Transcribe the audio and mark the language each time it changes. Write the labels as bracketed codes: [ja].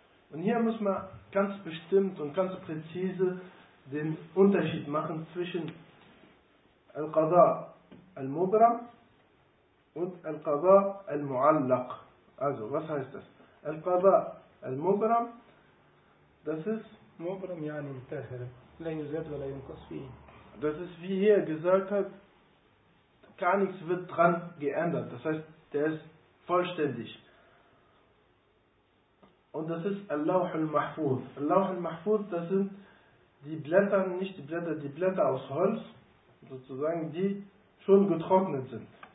[de] Und hier muss man ganz bestimmt und ganz präzise den Unterschied machen zwischen Al-Qadha Al-Mubram und Al-Qadha Al-Muallaq. Also, was heißt das? Al-Qadha Al-Mubram, das ist [ar] Mubram, يعني انتهر لا يزاد ولا ينقص فيه. [de] Das ist, wie hier gesagt hat, gar nichts wird dran geändert. Das heißt, der ist vollständig. Und das ist Al-Lawh Al-Mahfuz. Al-Lawh Al-Mahfuz, das sind die Blätter, nicht die Blätter, die Blätter aus Holz, sozusagen, die schon getrocknet sind.